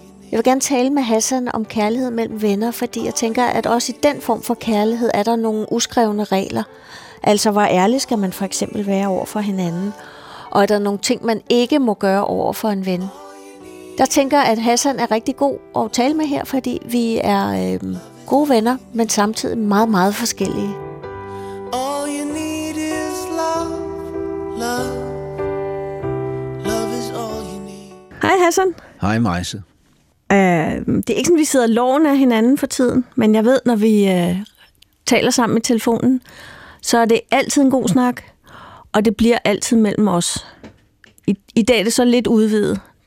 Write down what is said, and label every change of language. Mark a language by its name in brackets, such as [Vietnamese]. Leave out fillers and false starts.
[Danish] Jeg vil gerne tale med Hassan om kærlighed mellem venner, fordi jeg tænker, at også i den form for kærlighed er der nogle uskrevne regler. Altså, hvor ærlig skal man for eksempel være over for hinanden? Og er der nogle ting, man ikke må gøre over for en ven? Jeg tænker, at Hassan er rigtig god at tale med her, fordi vi er gode venner, men samtidig meget, meget forskellige. [English] All you need is love, love. Love is all you need. [Danish] Hej Hassan. Hej Majse. Det er ikke sådan, vi sidder loven af hinanden for tiden, men jeg ved, når vi taler sammen i telefonen, så er det altid en god snak, og det bliver altid mellem os. I dag er det så lidt udvidet.